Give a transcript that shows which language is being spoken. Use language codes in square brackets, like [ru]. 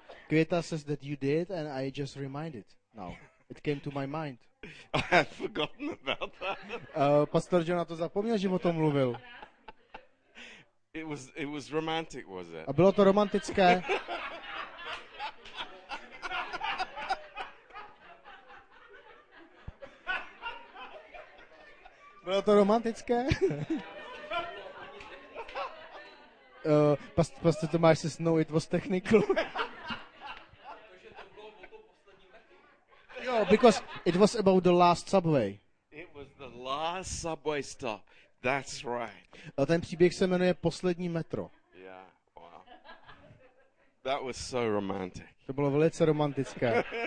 [en] Květa says that you did, and I just reminded now. It came to my mind. I had forgotten about that. [cs] Pastor John to zapomněl, že o tom mluvil. [en] It was romantic, was it? [cs] A bylo to romantické. Bylo to romantické? [en] Pastor Tomáš says, no, it was technical. No, because it was about the last subway. It was the last subway stop. That's right. [cs] A ten příběh se jmenuje Poslední metro. [en] Yeah, wow. That was so romantic. [cs] To bylo velice romantické.